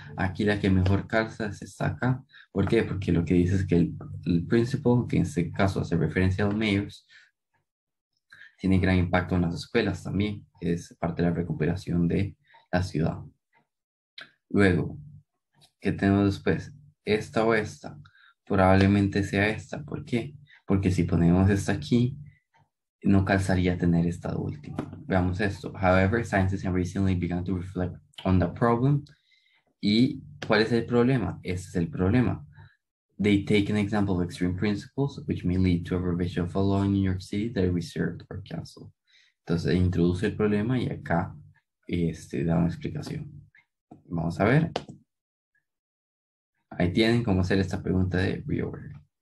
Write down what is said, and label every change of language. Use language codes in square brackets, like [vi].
[es] Aquí la que mejor calza es esta acá. ¿Por qué? Porque lo que dice es que el principal, que en este caso hace referencia a los mayors, tiene gran impacto en las escuelas también. Es parte de la recuperación de la ciudad. Luego, ¿qué tenemos después? ¿Esta o esta? Probablemente sea esta. ¿Por qué? Porque si ponemos esta aquí, no calzaría tener esta última. Veamos esto. [en] However, scientists have recently begun to reflect on the problem. [es] ¿Y cuál es el problema? Ese es el problema. [en] They take an example of extreme principles, which may lead to a revision of a law in New York City that is reserved or canceled. [es] Entonces, introduce el problema y acá da una explicación. Vamos a ver. Ahí tienen cómo hacer esta pregunta de reorder.